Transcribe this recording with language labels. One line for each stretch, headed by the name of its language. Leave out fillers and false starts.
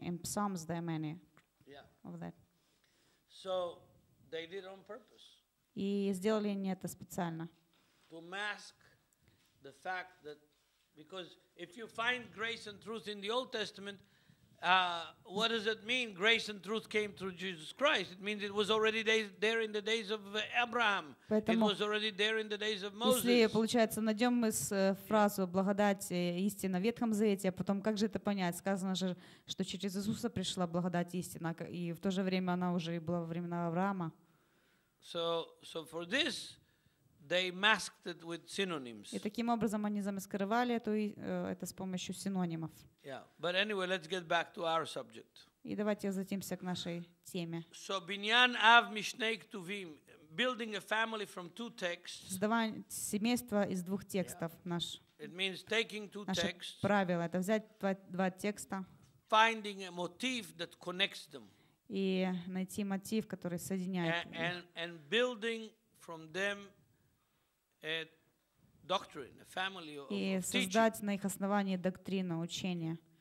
English: In Psalms there are many. Yeah. Of that. So they did it on purpose.
Russian: И сделали они это специально.
English: To mask the fact that, because if you find grace and truth in the Old Testament, what does it mean? Grace and truth came through Jesus Christ. It means it was already there in the days of Abraham.
Russian: Поэтому,
English: it was already there in the days of Moses.
Russian: Если получается, найдем мы фразу «благодать и истина» в Ветхом Завете, а потом как же это понять? Сказано же, что через Иисуса пришла благодать и истина, и в то же время она уже и была во времена Авраама.
English: So for this, they masked it with synonyms.
Russian: И таким образом они замаскировали это с помощью синонимов.
English: Yeah. But anyway, let's get back to our subject.
Russian: И давайте возвратимся к нашей теме.
English: So
Hebrew: binyan av mishnei ktuvim,
English: building a family from two texts.
Russian: Создавать семейство из двух текстов наш.
English: It means taking two texts.
Russian: Наше правило это взять два текста.
English: Finding a motif that connects them.
Russian: И найти мотив, который соединяет их.
English: And building from them a doctrine, a family of teaching.
Russian: И создать на их основании доктрину, учение.